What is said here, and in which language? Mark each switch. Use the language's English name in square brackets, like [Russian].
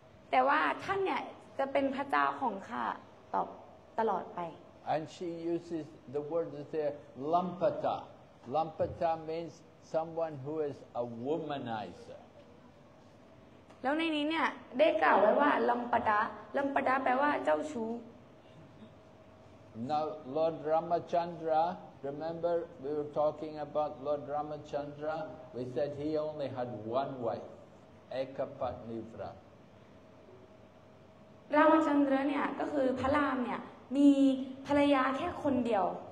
[Thai] แต่ว่าท่านเนี่ยจะเป็นพระเจ้าของข้าตอบตลอดไป [English] And she uses the word that there lampata. Lampata means someone who is a womanizer. [Thai] แล้วในนี้เนี่ยได้กล่าวไว้ว่าลัมปตะแปลว่าเจ้าชู้ [English] Now Lord Ramachandra, remember we were talking about Lord Ramachandra. We said he only had one wife. Ekapatnivrat. [Thai] Ramachandra, เนี่ยก็คือพระรามเนี่ยมีภรรยาแค่คนเดียว